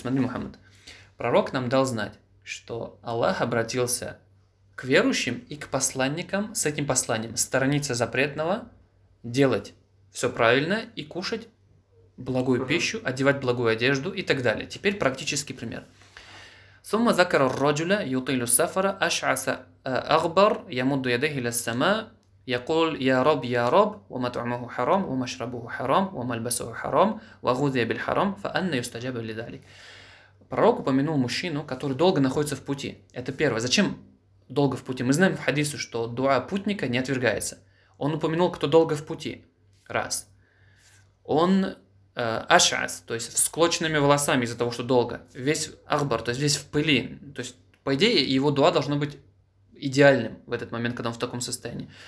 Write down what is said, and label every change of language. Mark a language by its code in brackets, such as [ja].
[ru] Смотри, Мухаммад, пророк нам дал знать, что Аллах обратился к верующим и к посланникам с этим посланием. Сторониться запретного, делать все правильно и кушать благую пищу, одевать благую одежду и так далее. Теперь практический пример. [ar] ثم ذكر الرجل يطيل السفر أشعث أغبر يمد يديه إلى السماء يقول يا رب يا رب ومطعمه حرام ومشربه حرام وملبسه حرام وغذي بالحرام فأنا يستجاب لذلك. [ru] Пророк упомянул мужчину, который долго находится в пути. Это первое. Зачем долго в пути. Мы знаем в хадисе, что дуа путника не отвергается. Он упомянул, кто долго в пути. Раз. Он ашас, то есть всклоченными волосами из-за того, что долго. Весь ахбар, то есть весь в пыли. То есть, по идее, его дуа должно быть идеальным в этот момент, когда он в таком состоянии.